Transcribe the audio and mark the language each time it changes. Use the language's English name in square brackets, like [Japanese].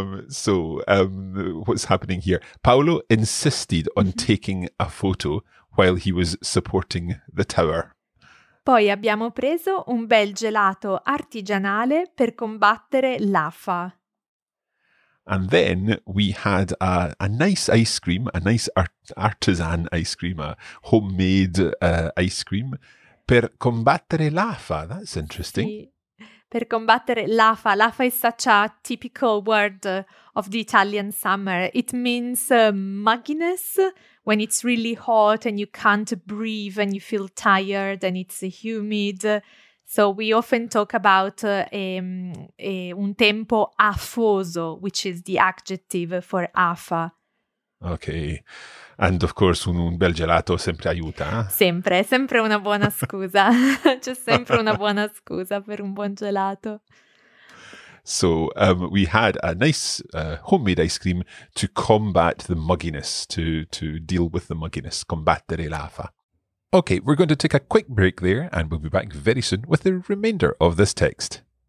[English] So what's happening here? Paolo insisted on taking a photo while he was supporting the tower. [Italian] Poi abbiamo preso un bel gelato artigianale per combattere l'afa. [English] And then we had a nice ice cream, a nice artisan ice cream, a homemade ice cream. [Italian] Per combattere l'afa. [English] That's interesting. [Italian] Sì. Per combattere l'afa. [English] L'afa is such a typical word of the Italian summer. It means mugginess, when it's really hot and you can't breathe and you feel tired and it's humid. So we often talk about [Italian] un tempo afoso, [English] which is the adjective for afa. Okay. And of course, [Italian] un bel gelato sempre aiuta. Eh? Sempre una buona scusa. C'è sempre una buona scusa per un buon gelato. [English] So we had a nice homemade ice cream to combat the mugginess, to deal with the mugginess, [Italian] combattere l'afa. [English] Okay, we're going to take a quick break there and we'll be back very soon with the remainder of this text.